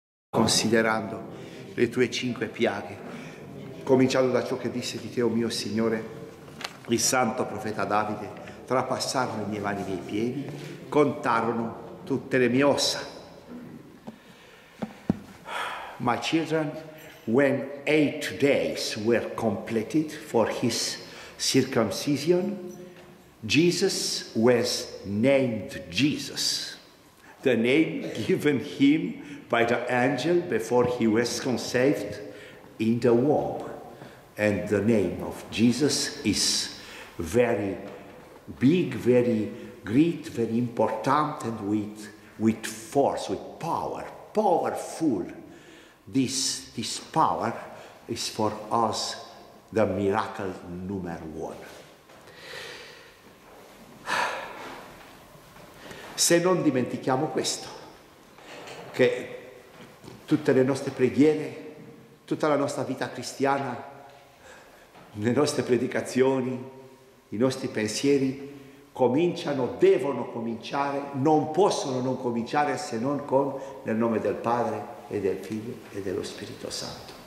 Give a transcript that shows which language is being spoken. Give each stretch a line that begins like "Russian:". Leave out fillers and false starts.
Italian: considerando le tue cinque piaghe, cominciando da ciò che disse di te, o mio Signore, il santo profeta Davide, trapassarono le mie mani e i miei piedi, contarono tutte le mie ossa.
English: My children, when 8 days were completed for his circumcision, Jesus was named Jesus, the name given him by the angel before he was conceived in the womb. And the name of Jesus is very big, very great, very important, and with force, with power, powerful. This power is for us the miracle number one.
Italian: Se non dimentichiamo questo, che tutte le nostre preghiere, tutta la nostra vita cristiana, le nostre predicazioni, i nostri pensieri cominciano, devono cominciare, non possono non cominciare se non con nel nome del Padre e del Figlio e dello Spirito Santo.